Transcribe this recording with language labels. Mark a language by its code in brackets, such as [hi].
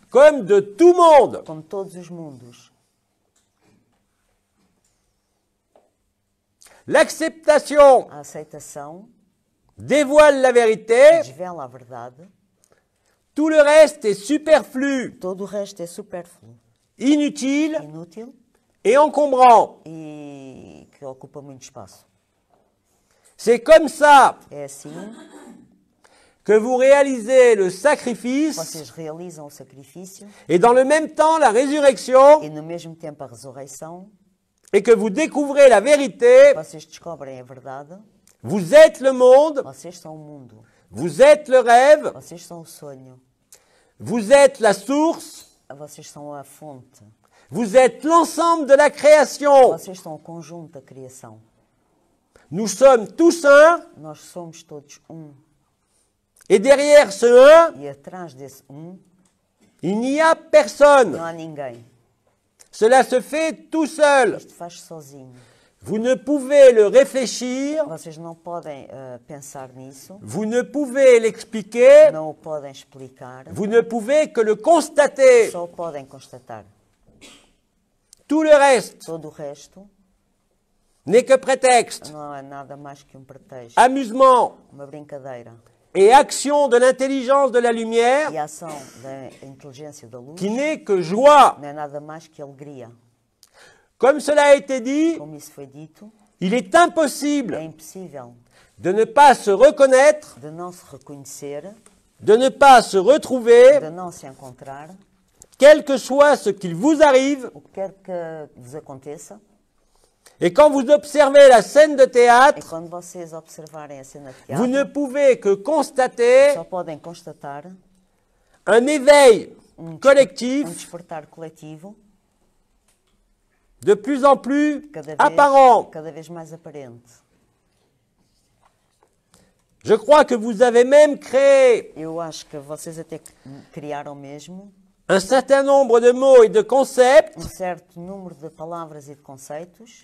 [fr] comme de tout monde, [pt] como todos os mundos. [fr] L'acceptation, [pt] a aceitação, [fr] dévoile la vérité, [pt] desvela a verdade. [fr] Tout le reste est superflu. [pt] Todo o resto é superfluo. [fr] Inutile. [pt] Inútil. [fr] Et encombrant. [pt] E que ocupa muito espaço. [fr] C'est comme ça. [pt] É assim. [fr] Que vous réalisez le sacrifice. [pt] Vocês realizam o sacrifício. [fr] Et dans le même temps la résurrection. [pt] E no mesmo tempo a ressurreição. [fr] Et que vous découvrez la vérité. [pt] Vocês descobrem a verdade. [fr] Vous êtes le monde. [pt] Vocês são o mundo. [fr] Vous êtes le rêve. [pt] Vocês são o sonho. [fr] Vous êtes la source. [pt] Vocês são a fonte. [fr] Vous êtes l'ensemble de la création. [pt] Vocês são o conjunto da criação. [fr] Nous sommes tous un. [pt] Nós somos todos [fr] Et derrière ce un. [pt] E atrás desse [fr] il n'y a personne. [pt] Não há ninguém. [fr] Cela se fait tout seul. [pt] Isto faz sozinho. [fr] Vous ne pouvez le réfléchir. [pt] Vocês não podem pensar nisso. [fr] Vous ne pouvez l'expliquer. [pt] Não o podem explicar. [fr] Vous ne pouvez que le constater. [pt] Só podem constatar. [fr] Tout le reste. [pt] Todo o resto. [fr] N'est que prétexte. [pt] Não é nada mais que pretexto. [fr] Amusement. [pt] Uma brincadeira. [fr] Et action de l'intelligence de la lumière. [pt] E ação da inteligência da luz. [fr] Qui n'est que joie. [pt] Não é nada mais que alegria. [fr] Comme cela a été dit, comme [pt] isso foi dito, [fr] il est impossible, [pt] é impossível, [fr] de ne pas se reconnaître, [pt] de não se reconhecer, [fr] de ne pas se retrouver, [pt] de não se encontrar, [fr] quel que soit ce qu'il vous arrive, [pt] o que quer que [fr] vous [pt] aconteça, [fr] et quand vous observez la scène de théâtre, et [pt] quando vocês observarem a cena de teatro, [fr] vous ne pouvez que constater, [pt] só podem constatar, [fr] un éveil collectif, [pt] um despertar coletivo. [fr] De plus en plus apparent. [pt] Cada vez mais aparente. [fr] Je crois que vous avez même créé. [pt] Eu acho que vocês até criaram mesmo. [fr] Un certain nombre de mots et de concepts. [pt] Um certo número de palavras e de conceitos.